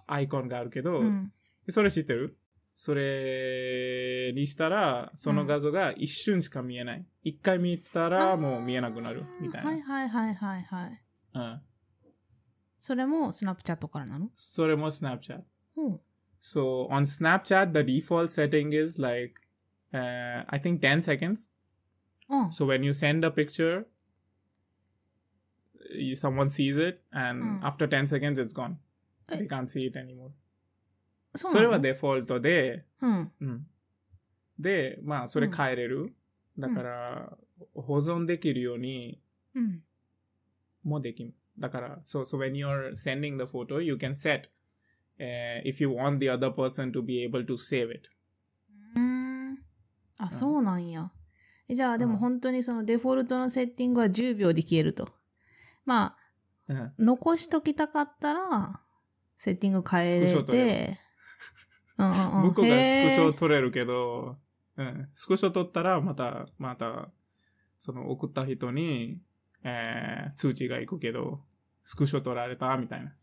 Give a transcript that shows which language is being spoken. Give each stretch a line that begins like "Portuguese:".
Japanese: アイコンがあるけど、うん、それ知ってる？それにしたら、その画像が一瞬しか見えない。うん、一回見たらもう見えなくなる、みたいな。はいはいはいはいはい。うん。それもスナップチャットからなの？それもスナップチャット。うん。
English: So, on Snapchat, the default setting is like,I think 10 seconds.、 Oh. So when you send a picture, someone sees it, and、mm. after 10 seconds, it's gone.、Hey. They can't see it anymore. So it was their fault. So they, they,
Japanese: まあそれ変えれる。だから保存できるようにもできる。
English: だから、so when you're sending the photo, you can set、if you want the other person to be able to save it.
Japanese: あ、そうなんや。じゃあ、でも本当にそのデフォルトのセッティングは10秒で消えると。まあ、うん、残しときたかったら、セッティング変えれて、向こうがスクショ取れるけど、うん、スクショ取ったら、また、その送った人に、通知が行くけど、スクショ取られた、みたいな。